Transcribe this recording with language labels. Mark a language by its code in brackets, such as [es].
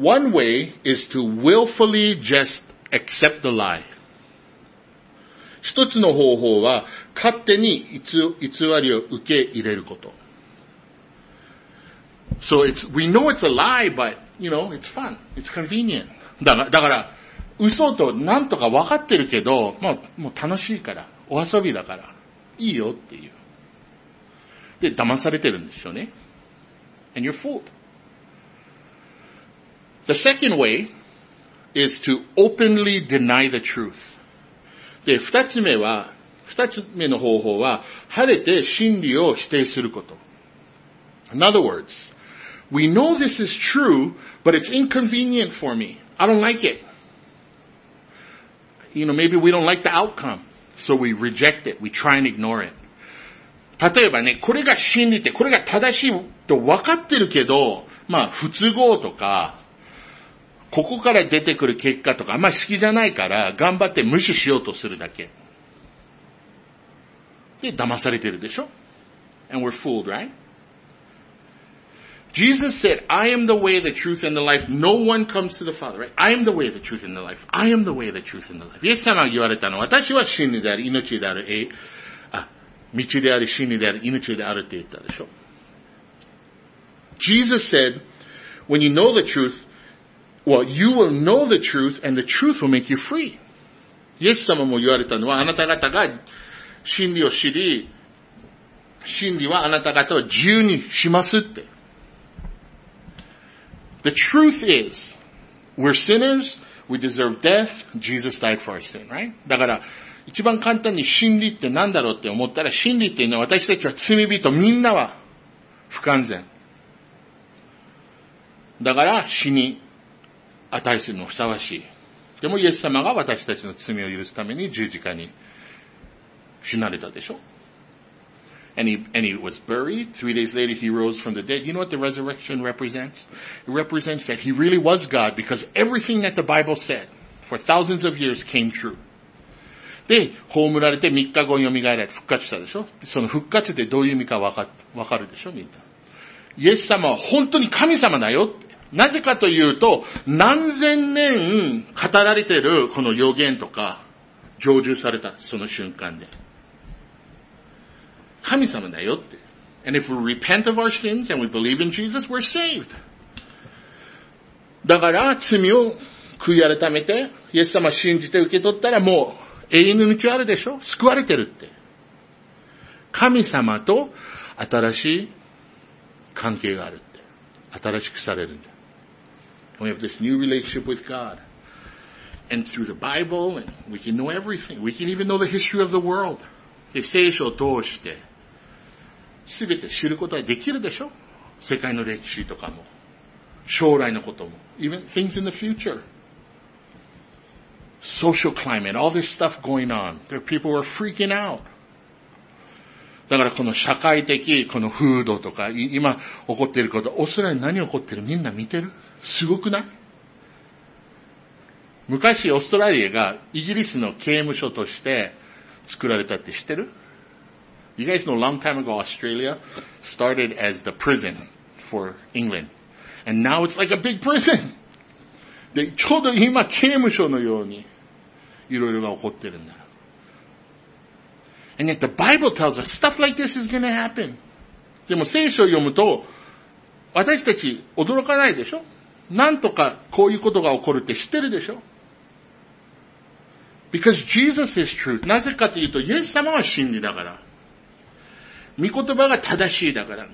[en] One way is to willfully just accept the lie. [ja] 一つの方法は勝手に偽りを受け入れること。 [en] So it's, we know it's a lie, but, you know, it's fun. It's convenient. [ja] だから、嘘となんとか分かってるけど、もう楽しいから、お遊びだから、いいよっていう。で、騙されてるんでしょうね。 [en] And you're fooled. The second way is to openly deny the truth. [ja] で、二つ目の方法は、晴れて真理を否定すること。 [en] In other words,We know this is true, but it's inconvenient for me. I don't like it. You know, maybe we don't like the outcome. So we reject it. We try and ignore it. [ja] 例えばね、これが真理って、これが正しいと分かってるけど、まあ、不都合とか、ここから出てくる結果とか、あんまり好きじゃないから、頑張って無視しようとするだけ。で、騙されてるでしょ? [en] And we're fooled, right? Jesus said, I am the way, the truth, and the life. No one comes to the Father, right? I am the way, the truth, and the life. I am the way, the truth, and the life. [ja] イエス様が言われたのは、私は真理である、命である、道である、真理である、命であるって言ったでしょ。 [en] Jesus said, when you know the truth, well, you will know the truth, and the truth will make you free. [ja] イエス様も言われたのは、あなた方が真理を知り、真理はあなた方を自由にしますって。 [en] The truth is, we're sinners, we deserve death, Jesus died for our sin, right? [ja] だから、一番簡単に真理って何だろうって思ったら、真理っていうのは私たちは罪人、みんなは不完全。だから、死に値するのふさわしい。でも、イエス様が私たちの罪を許すために十字架に死なれたでしょ。 [en] And he was buried. 3 days later, he rose from the dead. You know what the resurrection represents? It represents that he really was God because everything that the Bible said for thousands of years came true. [ja] で、葬られて3日後に蘇られ、復活したでしょ？その復活ってどういう意味か分かるでしょ？みんな。イエス様は本当に神様だよって。なぜかというと、何千年語られてるこの予言とか、成就されたその瞬間で。神様だよって。 [en] And if we repent of our sins and we believe in Jesus, we're saved. [ja] だから、罪を悔い改めて、イエス様信じて受け取ったらもう永遠の道あるでしょ？救われてるって。神様と新しい関係があるって。新しくされるんだ。 [en] We have this new relationship with God. And through the Bible, we can know everything. We can even know the history of the world. [ja] で、聖書を通して、すべて知ることはできるでしょ？世界の歴史とかも。将来のことも。 [en] Even things in the future. Social climate, all this stuff going on. There are people who are freaking out. [ja] だからこの社会的、この風土とか、今起こっていること、おそらく何起こってる？みんな見てる？すごくない？昔オーストラリアがイギリスの刑務所として作られたって知ってる？ [en] You guys know a long time ago Australia started as the prison for England. And now it's like a big prison. [ja] で、ちょうど今刑務所のようにいろいろが起こってるんだ。 [en] And yet the Bible tells us stuff like this is going to happen. [ja] でも聖書を読むと私たち驚かないでしょ？なんとかこういうことが起こるって知ってるでしょ？ [en] Because Jesus is truth. [ja] なぜかというと、イエス様は真理だから。御言葉が正しいだから。